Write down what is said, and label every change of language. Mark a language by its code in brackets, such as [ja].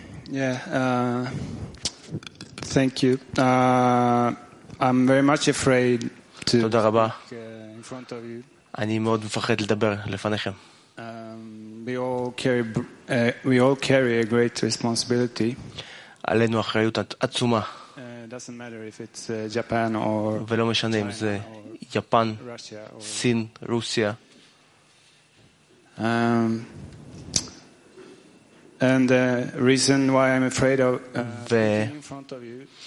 [en] Yeah, thank you. I'm very much afraid to speak in front of you. [he] אני מאוד מפחד לדבר לפניכם. [en] We all carry a great responsibility. [he] עלינו אחריות עצומה. [en] Doesn't matter if it's Japan or [he] ולא משנה אם זה יפן, סין, רוסיה. [en] And the reason why I'm afraid of in front of you